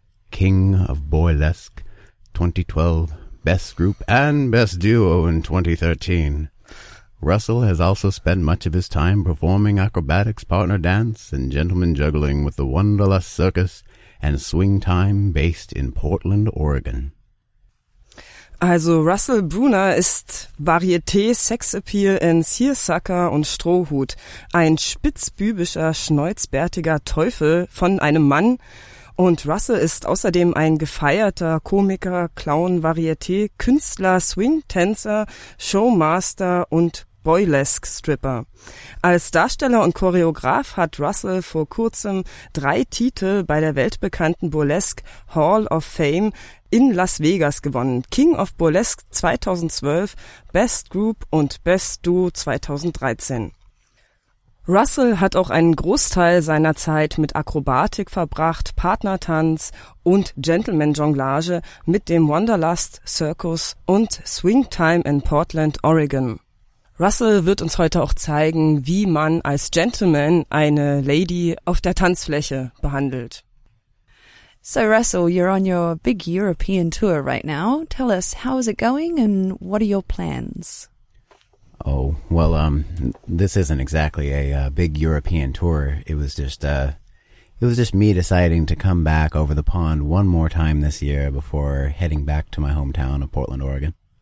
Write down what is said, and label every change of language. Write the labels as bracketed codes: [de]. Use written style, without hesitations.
[en] King of Burlesque 2012, Best Group and Best Duo in 2013. Russell has also spent much of his time performing acrobatics, partner dance, and gentleman juggling with the Wonderlust Circus and Swing Time based in Portland, Oregon. [de] Also Russell Brunner ist Varieté, Sexappeal in Seersucker und Strohhut. Ein spitzbübischer, schnäuzbärtiger Teufel von einem Mann. Und Russell ist außerdem ein gefeierter Komiker, Clown, Varieté, Künstler, Swing-Tänzer, Showmaster und Burlesque-Stripper. Als Darsteller und Choreograf hat Russell vor kurzem 3 Titel bei der weltbekannten Burlesque Hall of Fame in Las Vegas gewonnen. King of Burlesque 2012, Best Group und Best Duo 2013. Russell hat auch einen Großteil seiner Zeit mit Akrobatik verbracht, Partnertanz und Gentleman-Jonglage mit dem Wonderlust Circus und Swing Time in Portland, Oregon. Russell wird uns heute auch zeigen, wie man als Gentleman eine Lady auf der Tanzfläche behandelt. [en] So Russell, you're on your big European tour right now. Tell us, how is it going and what are your plans? Oh, well, this isn't exactly a big European tour. It was just me deciding to come back over the pond one more time this year before heading back to my hometown of Portland, Oregon.